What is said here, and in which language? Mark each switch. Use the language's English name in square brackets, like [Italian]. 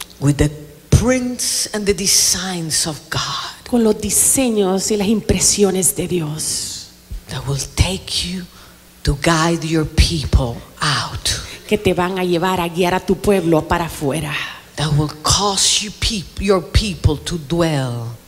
[English] With the prints and the designs of God. [Spanish] Con los diseños y las impresiones de Dios. [English] That will take you to guide your people out. [Spanish] Que te van a llevar a guiar a tu pueblo para afuera. [English] That will cause you your people to dwell.